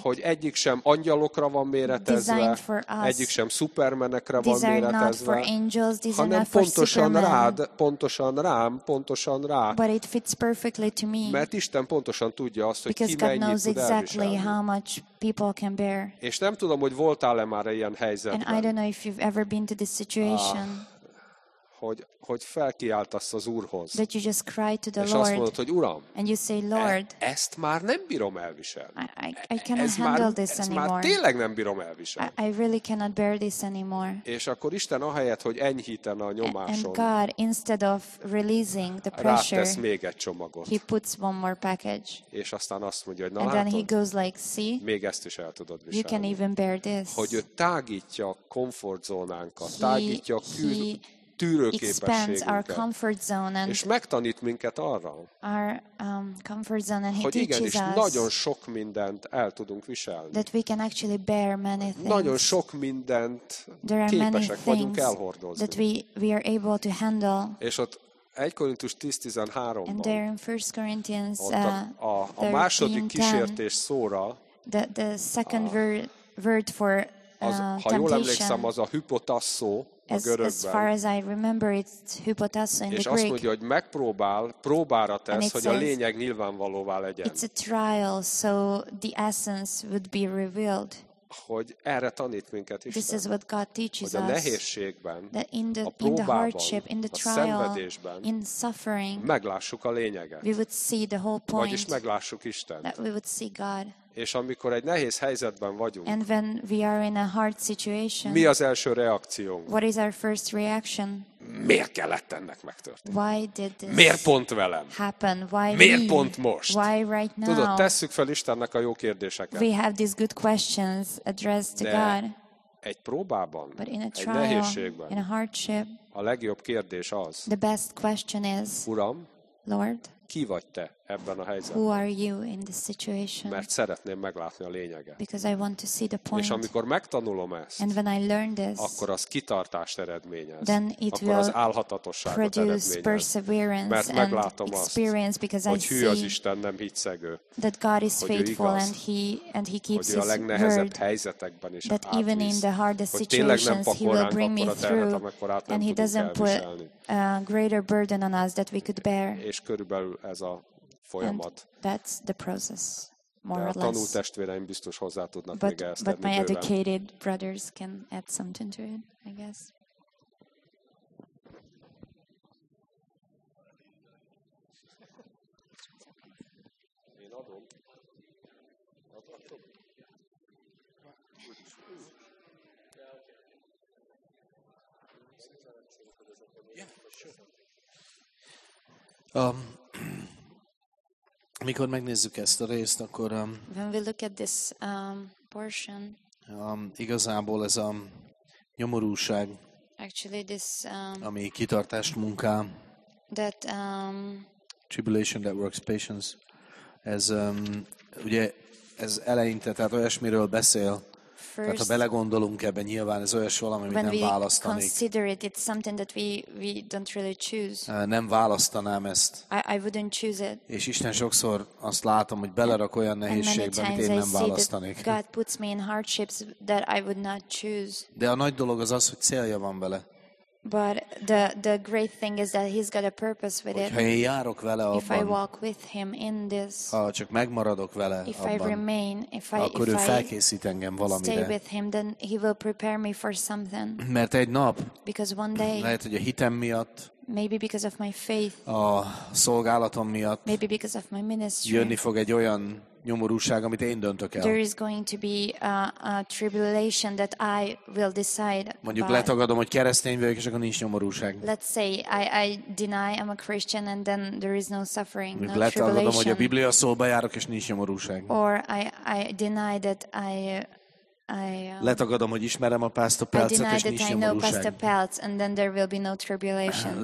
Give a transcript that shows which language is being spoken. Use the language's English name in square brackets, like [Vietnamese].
[Hungarian] hogy egyik sem angyalokra van méretezve, egyik sem szupermenekre van méretezve, [English] angels, [Hungarian] hanem pontosan rád, pontosan rám, pontosan rá. [English] But it fits perfectly to me. [Hungarian] Mert Isten pontosan tudja azt, hogy [English] because [Hungarian] ki mennyit [English] God knows [Hungarian] tud [English] exactly [Hungarian] elviselni. [English] How much people can bear. [Hungarian] És nem tudom, hogy voltál-e már ilyen helyzetben. [English] And I don't know if you've ever been to this situation. [Hungarian] Hogy felkiáltasz az Úrhoz. [English] That you just cry to the [Hungarian] és [English] Lord, [Hungarian] azt mondod, hogy Uram, [English] and you say, Lord, [Hungarian] ezt már nem bírom elviselni. [English] I cannot handle this anymore. [Hungarian] Ezt már tényleg nem bírom elviselni. [English] I really cannot bear this anymore. [Hungarian] És akkor Isten ahelyett, hogy enyhítene a nyomáson, [English] and God, instead of releasing the pressure, [Hungarian] rátesz még egy csomagot. [English] He puts one more package. [Hungarian] És aztán azt mondja, hogy na [English] and [Hungarian] látod, [English] then he goes like, see, [Hungarian] még ezt is el tudod viselni. [English] You can even bear this. [Hungarian] Hogy ő tágítja a komfortzónánkat, tágítja a tűrőképességünket. [English] Our comfort zone and [Hungarian] és megtanít minket arra, [English] our, comfort zone and he [Hungarian] hogy igenis, [English] teaches us [Hungarian] nagyon sok mindent el tudunk viselni. [English] That we can actually bear many things. [Hungarian] Nagyon sok mindent [English] there are [Hungarian] képesek [English] many things [Hungarian] vagyunk elhordozni. [English] That we are able to handle. [Hungarian] És ott 1 Korintus 10:13-ban [English] and there in 1 Corinthians, [Hungarian] a második kísértés szóra [English] the second word for [Hungarian] az, ha jól emlékszem, az a hypotasso a görögben. [English] As far as I remember, it's hypotasso in the Greek. [Hungarian] És azt mondja, hogy megpróbál, próbára tesz, hogy [English] says, [Hungarian] a lényeg nyilvánvalóvá legyen. [English] It's a trial, so the essence would be revealed. [Hungarian] Hogy erre tanít minket Isten. [English] This is what God teaches us. [Hungarian] Hogy a nehézségben, [English] in the hardship, in the trial, [Hungarian] a szenvedésben, [English] in suffering, [Hungarian] meglássuk a lényeget. [English] We would see the whole point. [Hungarian] Vagyis meglássuk Istent. [English] That we would see God. [Hungarian] És amikor egy nehéz helyzetben vagyunk, [English] and when we are in a hard situation, [Hungarian] mi az első reakciónk? [English] What is our first reaction? [Hungarian] Miért kellett ennek megtörténni? [English] Why did this [Hungarian] miért pont velem? [English] Happen? Why [Hungarian] miért [English] me [Hungarian] pont most? [English] Why right now? [Hungarian] Tudod, tesszük fel Istennek a jó kérdéseket. [English] We have these good questions addressed to [Hungarian] de [English] God. [Hungarian] Egy próbában, [English] but in a trial, [Hungarian] egy nehézségben, [English] in a hardship, [Hungarian] a legjobb kérdés az, [English] the best question is, [Hungarian] Uram, [English] Lord, [Hungarian] ki vagy te ebben a helyzetben? [English] Who are you in this situation? [Hungarian] Mert szeretném meglátni a lényeget. [English] Because I want to see the point. [Hungarian] És amikor megtanulom ezt, [English] and when I learn this, [Hungarian] akkor az kitartást eredményez. [English] Then it [Hungarian] akkor [English] will [Hungarian] az álhatatosságot [English] produce [Hungarian] eredményez. Mert meglátom [English] and experience, because [Hungarian] azt, hogy [English] I [Hungarian] hű az Isten, nem hitszegő. [English] That God is faithful [Hungarian] igaz, [English] and he keeps [Hungarian] hogy ő a legnehezebb helyzetekben is [English] that [Hungarian] átvisz, [English] even in the hardest situations he will bring me through [Hungarian] terhet, [English] and he doesn't put a greater burden on us that we could bear. [Hungarian] És körülbelül ez a folyamat. [English] And that's the process, more or less. [Hungarian] De a tanultestvéreim biztos hozzá tudnak [English] but, [Hungarian] még ezt [English] but my educated brothers can add something to it, I guess. [Hungarian] Mikor megnézzük ezt a részt, akkor [English] when we look at this portion, [Hungarian] igazából ez a nyomorúság, [English] actually this, [Hungarian] ami kitartást munká, [English] that tribulation that works patience, [Hungarian] ez ugye ez eleinte, tehát olyasmiről beszél. [English] First, [Hungarian] tehát ha belegondolunk ebben, nyilván ez olyas valami, amit nem választanék. [English] When we consider it, it's something that we don't really choose. [Hungarian] Nem választanám ezt. [English] I wouldn't choose it. [Hungarian] És Isten sokszor azt látom, hogy belerak olyan nehézségbe, amit én nem választanék. [English] God puts me in hardships that I would not choose. [Hungarian] De a nagy dolog az az, hogy célja van vele. [English] But the great thing is that he's got a purpose with [Hungarian] it. Ha én járok vele abban, [English] if I walk with him in this. [Hungarian] Ha csak megmaradok vele [English] if [Hungarian] abban. [English] If I remain, [Hungarian] akkor ő felkészít engem valamire. [English] Stay with him, then he will prepare me for something. [Hungarian] Mert egy nap. [English] Because one day. [Hungarian] Lehet, hogy a hitem miatt. [English] Maybe because of my faith. [Hungarian] A szolgálatom miatt. [English] Maybe because of my ministry. [Hungarian] Jönni fog egy olyan nyomorúság, amit én döntök el. [English] There is going to be a tribulation that I will decide. [Hungarian] Mondjuk letagadom, hogy keresztény vagyok, és akkor nincs nyomorúság. [English] Let's say I deny I'm a Christian and then there is no suffering, [Hungarian] mondjuk letagadom, hogy a Biblia szóba járok, és nincs nyomorúság. [English] Or I deny that I [Hungarian] letagadom, hogy ismerem a Pásztor Pelcet, és nincs nyomorúság. [English] I deny that I know Pastor Pelc and then there will be no tribulation.